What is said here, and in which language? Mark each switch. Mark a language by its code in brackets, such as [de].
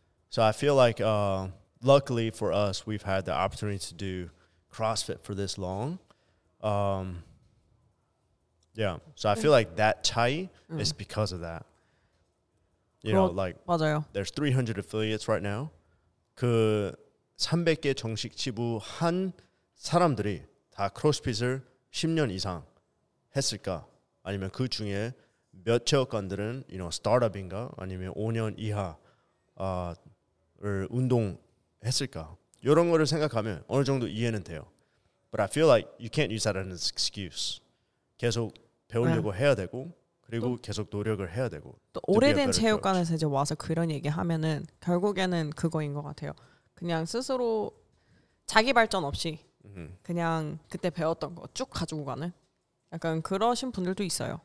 [en] So I feel like, luckily for us, we've had the opportunity to do CrossFit for this long. Yeah, so I feel like that 차이 is because of that. You [ko] 그럼, [en] know, like, [ko] 맞아요. [en] There's 300 affiliates right now. [ko] 그 300개 정식 지부 한 사람들이 다 크로스핏을 10년 이상 했을까? 아니면 그 중에 몇 체육관들은 [en] you know, [ko] 스타트업인가? 아니면 5년 이하를 운동했을까? 이런 거를 생각하면 어느 정도 이해는 돼요. [en] But I feel like you can't use that as an excuse. [ko] 계속 배우려고 네. 해야 되고 그리고 또, 계속 노력을 해야 되고 또 오래된 체육관에서 이제 와서 그런 얘기하면은 결국에는 그거인 것 같아요. 그냥 스스로 자기 발전 없이 그냥 그때 배웠던 거 쭉 가지고 가는 약간 그러신 분들도 있어요.